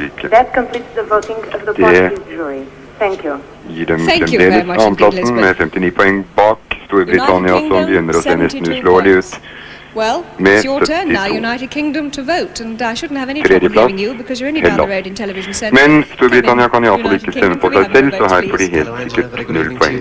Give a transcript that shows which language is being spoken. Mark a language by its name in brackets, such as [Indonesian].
[English] That completes the voting of the Portuguese jury. [Norwegian] andreplassen med 59 poeng bak Storbritannia som begynner å se nesten uslåelig ut. [English] Well, it's your turn now, United Kingdom, to vote, and I shouldn't have any trouble hearing you because you're only down the road in television centre. [Norwegian] Men Storbritannia kan iallfall ikke stemme på seg selv, så her får de helt sikkert null poeng.